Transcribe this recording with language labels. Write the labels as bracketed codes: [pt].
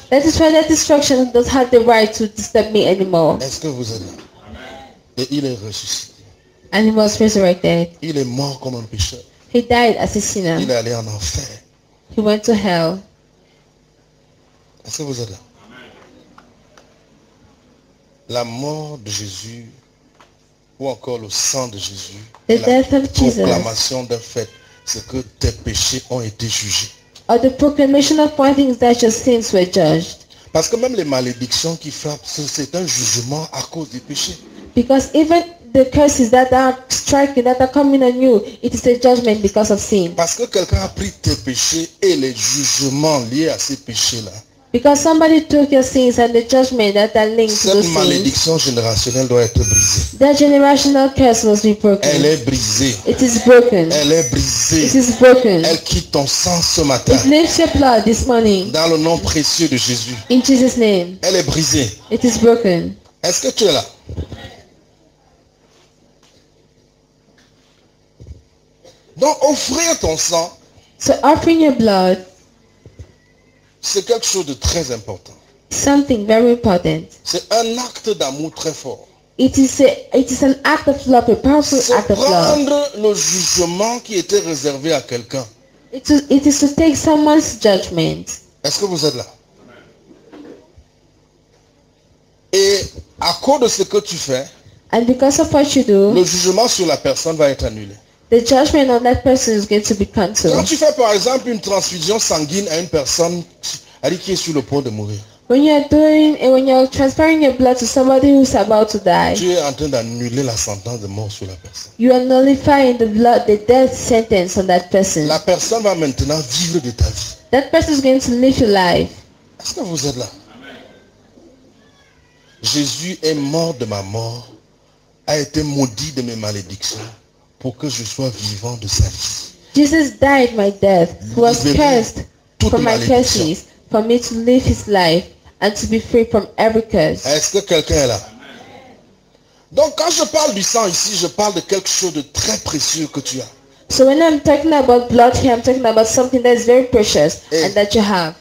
[en] That is why that destruction does have the right to disturb me anymore. [fr] Est-ce que vous êtes là? Et il est ressuscité. [en] And he was resurrected. [fr] Il est mort comme un pécheur. [en] He died as a sinner. [fr] Il est allé en enfer. [en] He went to hell. [fr] Est-ce que vous êtes là? La mort de Jésus ou encore le sang de Jésus, [en] the [fr] la [en] death of [fr] proclamation [en] Jesus. [fr] D'un fait, c'est que tes péchés ont été jugés. [en] Or the proclamation of one thing is that your sins were judged. [fr] Parce que même les malédictions qui frappent, c'est un jugement à cause des péchés. [en] Because even the curses that are striking, that are coming on you, it is a judgment because of sin. [fr] Parce que quelqu'un a pris tes péchés et les jugements liés à ces péchés-là. [en] Because somebody took your sins and the judgment that are linked [fr] cette [en] to those [fr] malédiction [en] sins. [fr] Générationnelle doit être brisée. [en] That generational curse must be broken. [fr] Elle est brisée. [en] It is broken. [fr] Elle est brisée. [en] It is broken. [fr] Elle quitte ton sang ce matin. [en] It leaves your blood this morning. [fr] Dans le nom précieux de Jésus. [en] In Jesus' name. [fr] Elle est brisée. [en] It is broken. [fr] Est-ce que tu es là? Donc offrir ton sang. [en] So offering your blood. [fr] C'est quelque chose de très important. [en] Something very important. [fr] C'est un acte d'amour très fort. [en] It is an act of love, a powerful [fr] c'est [en] act of love. [fr] C'est prendre le jugement qui était réservé à quelqu'un. [en] It is to take someone's judgment. [fr] Est-ce que vous êtes là? Et à cause de ce que tu fais, [en] and because of what you do, [fr] le jugement sur la personne va être annulé. [en] The judgment on that person is going to be canceled. [fr] Quand tu fais par exemple une transfusion sanguine à une personne qui est sur le point de mourir. [en] When you are doing and when you are transferring your blood to somebody who is about to die. [fr] Tu es en train d'annuler la sentence de mort sur la personne. [en] You are nullifying the blood, the death sentence on that person. [fr] La personne va maintenant vivre de ta vie. [en] That person is going to live your life. [fr] Est-ce que vous êtes là? Amen. Jésus est mort de ma mort, a été maudit de mes malédictions. Pour que je sois vivant de sa vie. [en] Jesus died my death, was cursed for my curses, for me to live his life and to be free from every curse. [fr] Est-ce que quelqu'un est là? Donc quand je parle du sang ici, je parle de quelque chose de très précieux que tu as. [en] So when I'm talking about blood here, I'm talking about something that is very precious and that you have.